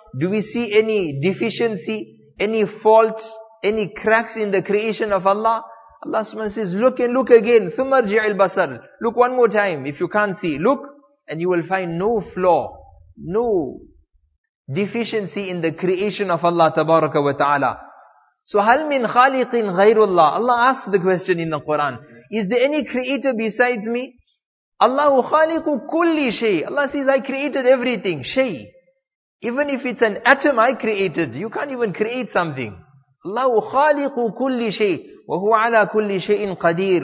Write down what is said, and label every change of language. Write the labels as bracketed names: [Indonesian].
[English] Do we see any deficiency, any fault, any cracks in the creation of Allah? Allah subhanahu says, look and look again. [Arabic] ثُمَّ ارْجِعِ الْبَصَرِ. [English] Look one more time. If you can't see, look, and you will find no flaw, no deficiency in the creation of Allah تبارك وتعالى. So [Arabic] هَلْ مِنْ خَالِقٍ غَيْرُ اللَّهِ. [English] Allah asks the question in the Quran. Is there any creator besides me? [Arabic] Allahu khaliqu kulli shay. [English] Allah says, I created everything. Shay. Even if it's an atom I created, you can't even create something. [Arabic] Allahu khaliqu kulli shay. Wa huwa ala kulli shay'in qadir.